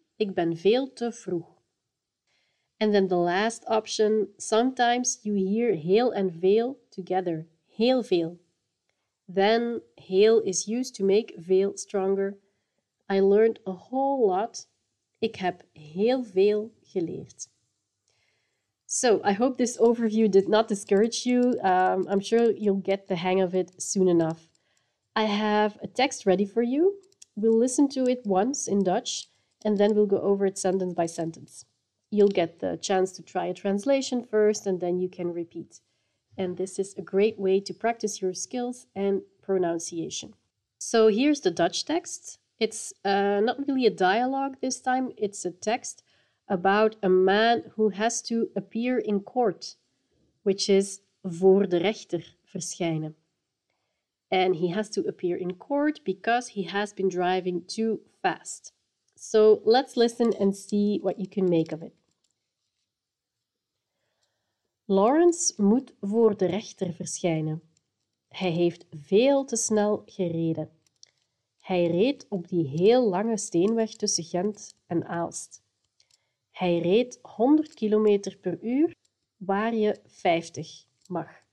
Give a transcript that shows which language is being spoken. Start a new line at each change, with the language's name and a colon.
Dutch: Ik ben veel te vroeg.
English: And then the last option, sometimes you hear heel and veel together.
Dutch: Heel veel.
English: Then heel is used to make veel stronger. I learned a whole lot.
Dutch: Ik heb heel veel geleerd.
English: So I hope this overview did not discourage you. I'm sure you'll get the hang of it soon enough. I have a text ready for you. We'll listen to it once in Dutch and then we'll go over it sentence by sentence. You'll get the chance to try a translation first and then you can repeat. And this is a great way to practice your skills and pronunciation. So here's the Dutch text. It's not really a dialogue this time. It's a text about a man who has to appear in court, which is
Dutch: voor de rechter verschijnen.
English: And he has to appear in court because he has been driving too fast. So let's listen and see what you can make of it.
Dutch: Lawrence moet voor de rechter verschijnen. Hij heeft veel te snel gereden. Hij reed op die heel lange steenweg tussen Gent en Aalst. Hij reed 100 km per uur, waar je 50 mag.